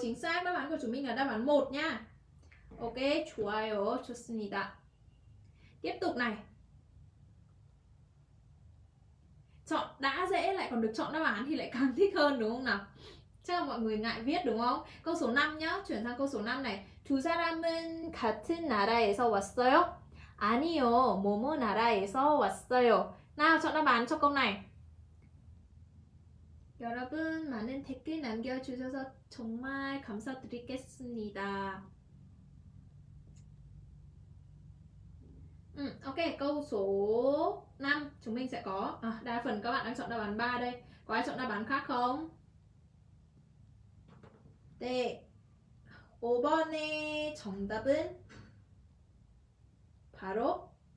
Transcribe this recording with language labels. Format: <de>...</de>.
<vi>Chính xác đáp án của chúng mình là đáp án 1 nha. Ok,</vi> <ko>좋아요. 좋습니다.</ko> <vi>Tiếp tục này. Chọn đã dễ lại còn được chọn đáp án thì lại càng thích hơn đúng không nào? Chắc là mọi người ngại viết đúng không? Câu số 5 nhá, chuyển sang câu số 5 này.</vi> <ko>두 사람은 같은 나라에서 왔어요? 아니요, 모모 나라에서 왔어요.</ko> <vi>Nào, chọn đáp án cho câu này.</vi> <ko>여러분, 많은 댓글 남겨주셔서 정말 감사드리겠습니다.</ko> <vi>Ok, câu số 5 chúng mình sẽ có. Đa phần các bạn đang chọn đáp án 3 đây. Có ai chọn đáp án khác không?</vi> <ko>Đệ 5번의 정답은 바로</ko>